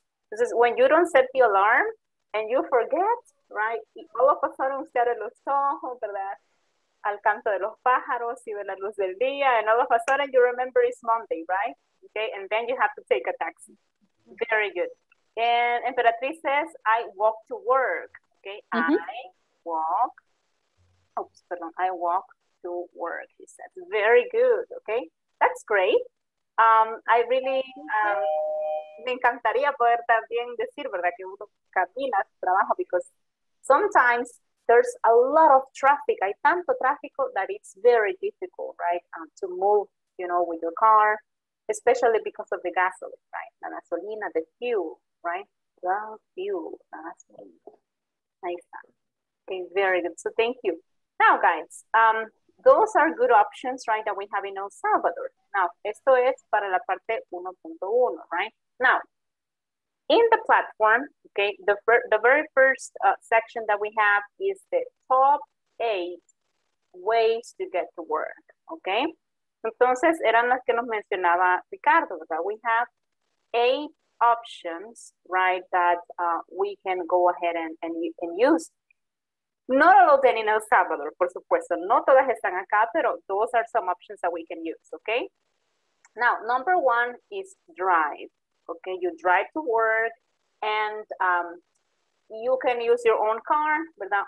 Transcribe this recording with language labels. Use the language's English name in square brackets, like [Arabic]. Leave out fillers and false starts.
[English] This is when you don't set the alarm and you forget, right? [Spanish] Y [English] all of a sudden, [Spanish] usted abre los ojos, ¿verdad? Al canto de los pájaros y ve la luz del día. [English] And all of a sudden, you remember it's Monday, right? Okay, and then you have to take a taxi. Very good. And Emperatriz says, I walk to work. Okay, I walk to work, he said. Very good, okay? That's great. I really... [Spanish] me encantaría poder también decir, ¿verdad? Que uno camina, trabaja, [English] because sometimes there's a lot of traffic. [Spanish] Hay tanto tráfico [English] that it's very difficult, right? To move, you know, with your car, especially because of the gasoline, right? La gasolina, the fuel, right? The fuel, la gasolina. [Spanish] Ahí está. [English] Okay, very good. So thank you. Now, guys, those are good options, right, that we have in El Salvador. Now, [Spanish] esto es para la parte 1.1, [English] right? Now, in the platform, okay, the very first section that we have is the top 8 ways to get to work, okay? [Spanish] Entonces, eran las que nos mencionaba Ricardo, ¿verdad? [English] We have 8 options, right, that we can go ahead and use. Not all of them in El Salvador, [Spanish] por supuesto. No todas están acá, [English] pero those are some options that we can use, okay? Now, number 1 is drive. Okay, you drive to work and you can use your own car, ¿verdad?